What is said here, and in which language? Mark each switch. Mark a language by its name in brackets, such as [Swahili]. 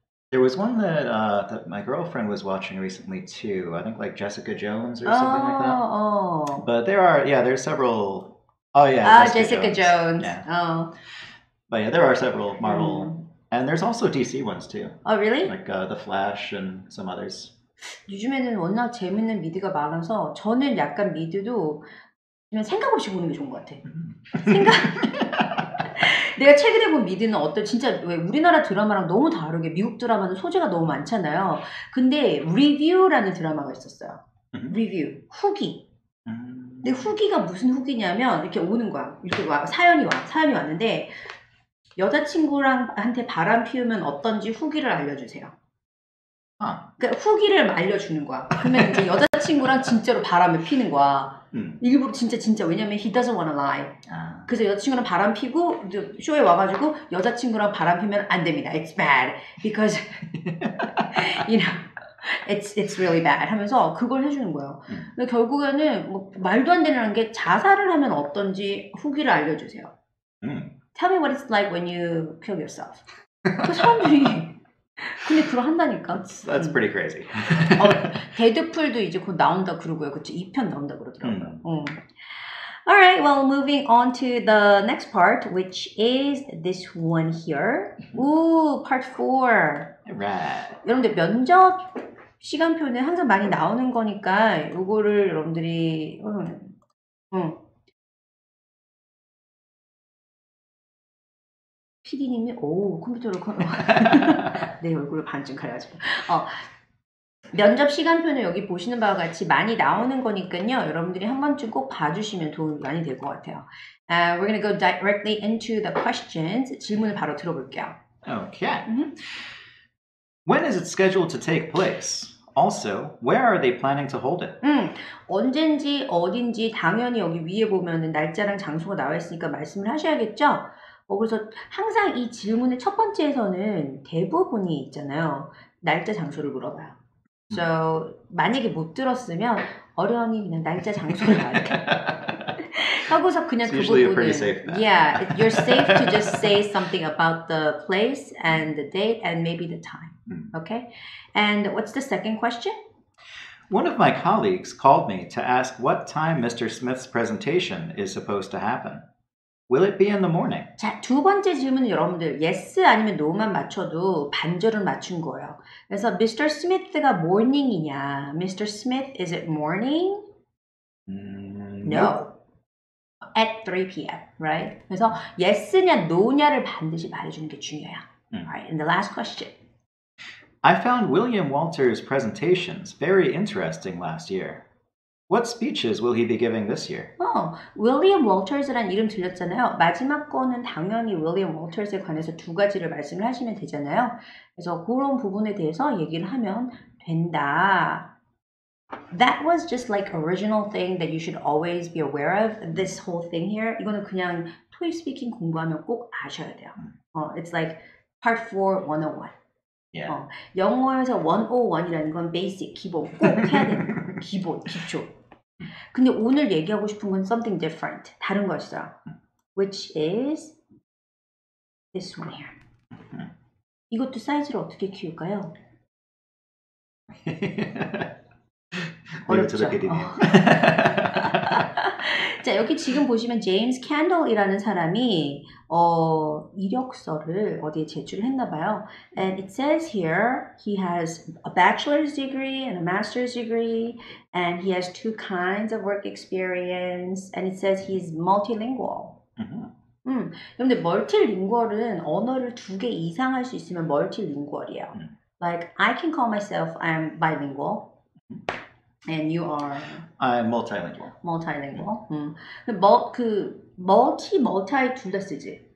[English] There was one that that my girlfriend was watching recently too. I think like Jessica Jones or something like that. But there are several. Jessica Jones. But yeah, there are several Marvel and there's also DC ones too. Oh really? Like The Flash and some others. [Korean] 요즘에는 워낙 재밌는 미드가 많아서 저는 약간 미드도 그냥 생각 없이 보는 게 좋은 것 같아. 내가 최근에 본 미드는 어떤 진짜 왜 우리나라 드라마랑 너무 다르게 미국 드라마는 소재가 너무 많잖아요. 근데 리뷰라는 드라마가 있었어요. 리뷰 후기. 근데 후기가 무슨 후기냐면 이렇게 오는 거야. 이렇게 와 사연이 와 사연이 왔는데 여자친구한테 바람 피우면 어떤지 후기를 알려주세요. 그러니까 후기를 알려주는 거야. 그러면 이제 여자친구랑 진짜로 바람을 피는 거야. 일부러 진짜 왜냐면 [English] he doesn't wanna lie. [Korean] 그래서 여자친구랑 바람 피고 쇼에 와가지고 여자친구랑 바람 피면 안 됩니다. [English] It's bad because you know it's really bad [Korean] 하면서 그걸 해주는 거예요. 근데 결국에는 뭐 말도 안 되는 게 자살을 하면 어떤지 후기를 알려주세요. [English] Tell me what it's like when you kill yourself. [Korean] 그 사람들이 근데 그걸 한다니까. [English] That's pretty crazy. [Korean] 데드풀도 이제 곧 나온다 그러고요. 그치? 2편 나온다 그러더라고요. [English] Alright, well, moving on to the next part, which is this one here. Ooh, part 4. Right. [Korean] 여러분들 면접 시간표는 항상 많이 나오는 거니까 이거를 여러분들이 PD님이 컴퓨터를 내 얼굴을 반쯤 가려가지고 면접 시간표는 여기 보시는 바와 같이 많이 나오는 거니까요. 여러분들이 한 번쯤 꼭 봐주시면 도움이 많이 될 것 같아요. [English] We're gonna go directly into the questions. [Korean] 질문을 바로 들어볼게요. [English] Okay. Mm-hmm. When is it scheduled to take place? Also, where are they planning to hold it? [Korean] 언제인지 어딘지 당연히 여기 위에 보면은 날짜랑 장소가 나와 있으니까 말씀을 하셔야겠죠? 그래서 항상 이 질문의 첫 번째에서는 대부분이 있잖아요. 날짜 장소를 물어봐요. [English] So, [Korean] 만약에 못 들었으면 어련히 그냥 날짜 장소를 말해요. 타고서 그냥 그 부분은 [English] usually a pretty safe bet. Yeah, you're safe to just say something about the place and the date and maybe the time. Okay? And what's the second question? One of my colleagues called me to ask what time Mr. Smith's presentation is supposed to happen. Will it be in the morning? [Korean] 자, 두 번째 질문은 여러분들 yes 아니면 no만 맞춰도 반절을 맞춘 거예요. 그래서 [English] Mr. Smith가 morning이냐? Mr. Smith, is it morning? No. At 3 p.m., right? [Korean] 그래서 yes냐 no냐를 반드시 말해주는 게 중요해요. [English] Alright, and the last question. I found William Walter's presentations very interesting last year. What speeches will he be giving this year? [Korean] Oh, William Walters라는 이름 들렸잖아요. 마지막 거는 당연히 William Walters에 관해서 두 가지를 말씀을 하시면 되잖아요. 그래서 그런 부분에 대해서 얘기를 하면 된다. [English] That was just like original thing that you should always be aware of, this whole thing here. [Korean] 이거는 그냥 토익 스피킹 공부하면 꼭 아셔야 돼요. [English] It's like part 4, 101. Yeah. [Korean] 영어에서 101이라는 건 basic, 기본, 꼭 해야 되는 거예요. 기본, 기초. 근데 오늘 얘기하고 싶은 건 [English] something different, [Korean] 다른 거 있어요. [English] Which is this one here. [Korean] 이것도 사이즈를 어떻게 키울까요? 어렵죠? 자, 여기 지금 보시면 James Candle이라는 사람이 이력서를 어디에 제출을 했나 봐요. [English] And it says here he has a bachelor's degree and a master's degree and he has two kinds of work experience and it says he's multilingual. [Korean] 근데 멀티링구얼은 언어를 두 개 이상 할 수 있으면 멀티링구얼이에요. [English] Like I can call myself I'm bilingual. And you are? I'm multilingual. [Korean] Multilingual. Multi 둘 다 쓰지?